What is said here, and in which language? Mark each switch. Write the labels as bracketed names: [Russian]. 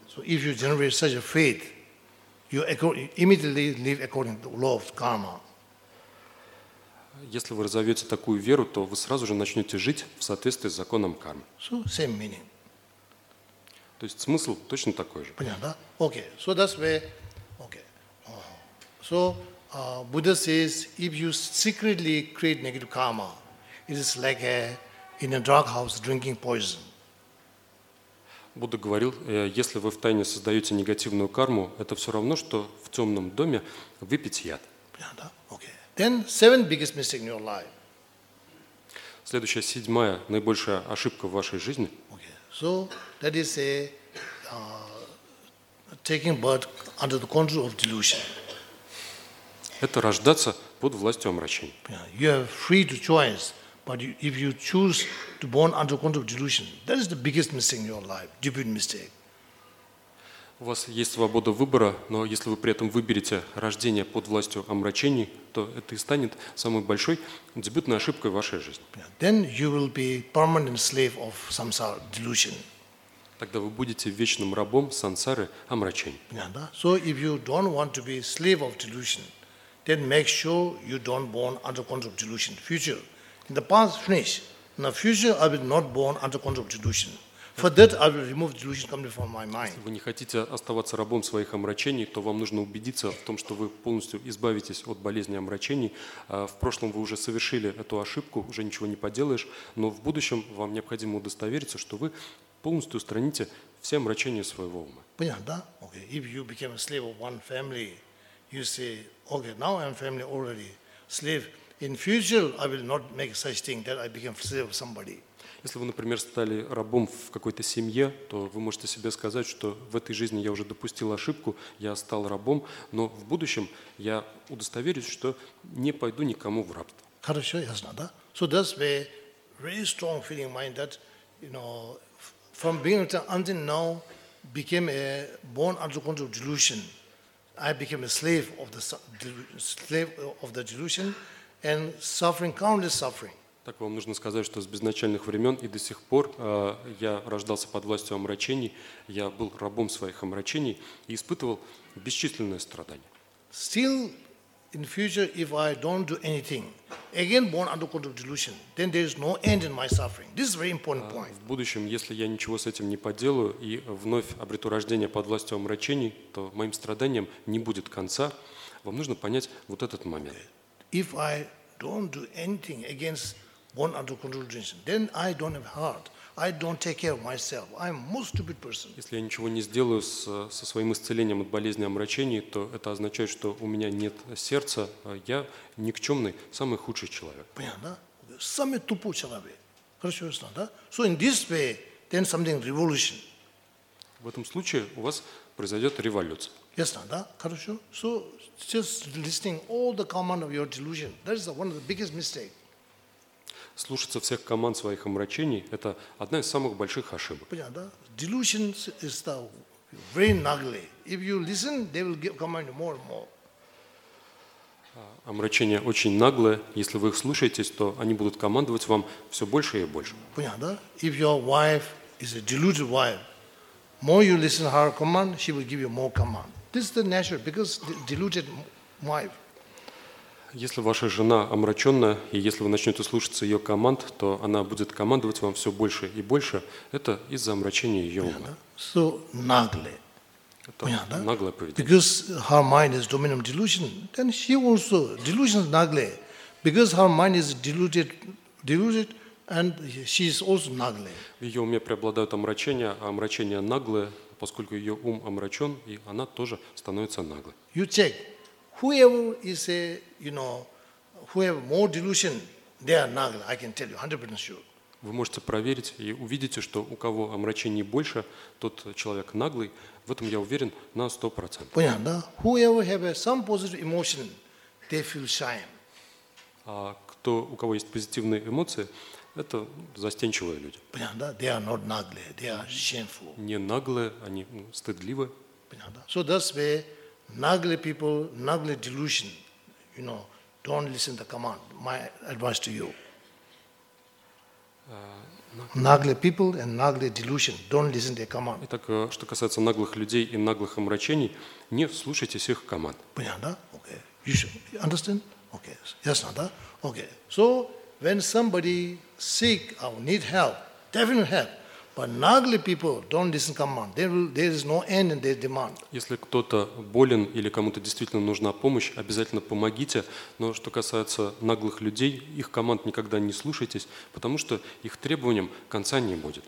[English] So if you generate such a faith, you immediately live according to the law of karma. [Russian] Если вы разовьете такую веру, то вы сразу же начнете жить в соответствии с законом кармы. [English] So same meaning. [Russian] То есть смысл точно такой же. Понятно, да? [English] Okay, so that's where, okay. So Buddha says, if you secretly create negative karma, it is like in a drug house drinking poison. [Russian] Будда говорил, если вы втайне создаете негативную карму, это все равно, что в темном доме выпить яд. Понятно, да? [English] Okay. Then seven biggest mistakes in your life. [Russian] Следующая, седьмая, наибольшая ошибка в вашей жизни. [English] So that is a taking birth under the control of delusion. [Russian] Это рождаться под властью омрачения. [English] You have free to choose, but if you choose to born under control of delusion, that is the biggest mistake in your life, stupid mistake. [Russian] У вас есть свобода выбора, но если вы при этом выберете рождение под властью омрачений, то это и станет самой большой дебютной ошибкой в вашей жизни. [English] Then you will be permanent slave of samsara delusion. [Russian] Тогда вы будете вечным рабом сансары омрачений. [English] Yeah, [Russian] да? [English] So if you don't want to be slave of delusion, then make sure you don't born under control of delusion. Future, in the past finish. In the future, I will not born under control of delusion. For that, I will remove delusion completely from my mind. [Russian] Если вы не хотите оставаться рабом своих омрачений, то вам нужно убедиться в том, что вы полностью избавитесь от болезни омрачений. В прошлом вы уже совершили эту ошибку, уже ничего не поделаешь, но в будущем вам необходимо удостовериться, что вы полностью устраните все омрачения своего ума. Понятно, да? [English] Okay. If you became a slave of one family, you say, okay, now I'm family already slave. In future, I will not make such thing that I became slave of somebody. [Russian] Если вы, например, стали рабом в какой-то семье, то вы можете себе сказать, что в этой жизни я уже допустил ошибку, я стал рабом, но в будущем я удостоверюсь, что не пойду никому в рабство. Хорошо, ясно, да? [English] So that's a very strong feeling in mind that, you know, from being until now became a born under control delusion. I became a slave of the delusion and suffering countless suffering. [Russian] Так вам нужно сказать, что с безначальных времен и до сих пор я рождался под властью омрачений, я был рабом своих омрачений и испытывал бесчисленные страдания. [English] Still, in future, if I don't do anything, again born under control delusion, then there is no end in my suffering. This is a very important point. [Russian] В будущем, если я ничего с этим не поделаю и вновь обрету рождение под властью омрачений, то моим страданиям не будет конца. Вам нужно понять вот этот момент. [English] If I don't do anything against born under control delusion, then I don't have heart. I don't take care of myself. I'm a most stupid person. [Russian] Если я ничего не сделаю со своим исцелением от болезни омрачений, то это означает, что у меня нет сердца. Я никчемный, самый худший человек. Понятно? Да? Самый тупой человек. Хорошо, ясно, да? [English] So in this way, then something revolution. [Russian] В этом случае у вас произойдет революция. Ясно, да? Хорошо. [English] So just listening all the command of your delusion. That is one of the biggest mistakes. [Russian] Слушаться всех команд своих омрачений – это одна из самых больших ошибок. Понятно, да? [English] Delusion is very ugly. If you listen, they will command more and more. [Russian] Омрачения очень наглые. Если вы их слушаетесь, то они будут командовать вам все больше и больше. Понятно, да? [English] If your wife is a deluded wife, more you listen her command, she will give you more command. This is the nature, because deluded wife. [Russian] Если ваша жена омраченная, и если вы начнете слушаться ее команд, то она будет командовать вам все больше и больше. Это из-за омрачения ее ума. [English] So nagle. [Russian] Это наглое поведение. [English] Because her mind is dominant delusion, then she also delusion is nagle. Because her mind is deluded, and she is also nagle. [Russian] В ее уме преобладают омрачения, а омрачения наглые, поскольку ее ум омрачен, и она тоже становится наглой. [English] You check. Whoever is a, you know, who have more delusion, they are nagle. I can tell you, 100% sure. [Russian] Вы можете проверить и увидите, что у кого омрачений больше, тот человек наглый. В этом я уверен на 100%. Понятно, да? [English] Whoever have some positive emotion, they feel shame. [Russian] А кто, у кого есть позитивные эмоции, это застенчивые люди. Понятно, да? [English] They are not nagle. They are shameful. [Russian] Не наглые, они стыдливы. Понятно, да? [English] So that's why nagle people, nagle delusion, you know, don't listen to the command. My advice to you. Nagle people and nagle delusion, don't listen to the command. [Russian] Итак, что касается наглых людей и наглых омрачений, не слушайтесь их команд. Понятно, да? [English] Okay. You should understand? Okay. Yes, not, [Russian] да? [English] Okay. So, when somebody sick or need help, definitely help. But nagle people don't listen to command. There is no end in their demand. [Russian] Если кто-то болен или кому-то действительно нужна помощь, обязательно помогите. Но что касается наглых людей, их команд никогда не слушайтесь, потому что их требованиям конца не будет.